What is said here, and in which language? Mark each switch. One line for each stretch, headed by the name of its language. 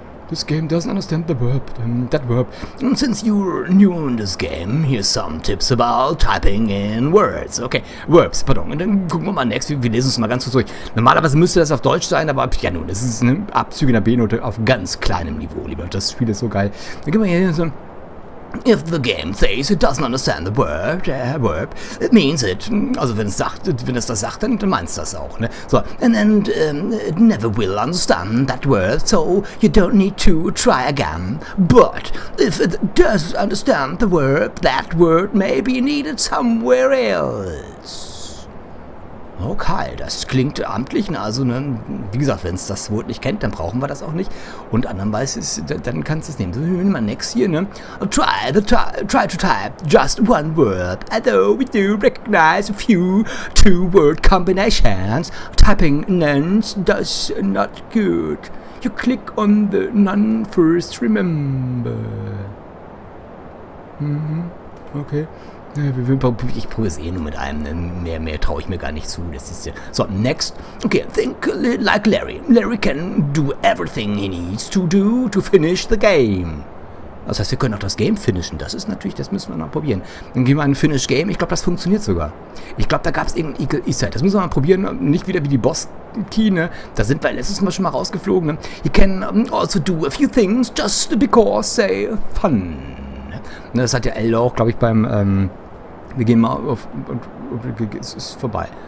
English: This game doesn't understand the verb, that verb. And since you're new in this game, here's some tips about typing in words. Okay, verbs, pardon.
German: Und dann gucken wir mal next, wir lesen es mal ganz kurz durch. Normalerweise müsste das auf Deutsch sein, aber ja nun, das ist eine Abzüge in der B-Note auf ganz kleinem Niveau, lieber. Das Spiel ist so geil. Dann gehen wir hier so...
English: If the game says it doesn't understand the word, it means it.
German: Also wenn es sagt, wenn es das sagt, dann meint es das auch, ne?
English: So, it never will understand that word, so you don't need to try again. But if it does understand the word, that word may be needed somewhere else.
German: Okay, das klingt amtlich, ne? Also, ne, wie gesagt, wenn es das Wort nicht kennt, dann brauchen wir das auch nicht. Und andernweise, dann kannst du es nehmen. So, wir nehmen mal next hier, ne?
English: Try to type just one word, although we do recognize a few two-word combinations. Typing nouns does not good. You click on the none first, remember.
German: Okay. Ich probiere es eh nur mit einem. Mehr traue ich mir gar nicht zu. Das ist ja. So, next.
English: Okay, think like Larry. Larry can do everything he needs to do to finish the game.
German: Das heißt, wir können auch das Game finishen. Das ist natürlich, das müssen wir noch probieren. Dann gehen wir ein Finish Game. Ich glaube, das funktioniert sogar. Ich glaube, da gab es irgendein Eagle Easter Egg. Das müssen wir mal probieren. Nicht wieder wie die Boss-Key, ne? Da sind wir letztes Mal schon mal rausgeflogen, ne?
English: You can also do a few things just because, say, fun.
German: Das hat ja L auch, glaube ich, beim, wir gehen mal auf, es ist vorbei.